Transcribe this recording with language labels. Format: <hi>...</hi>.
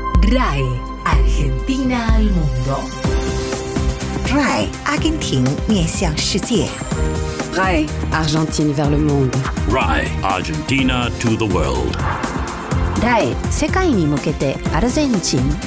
<es>RAI Argentina al mundo.</es> <zh>RAI Argentina 面向世界。</zh> <fr>RAI Argentina vers le monde.</fr> <en>RAI Argentina to the world.</en> <ja>RAI 世界に向けてアルゼンチン。</ja>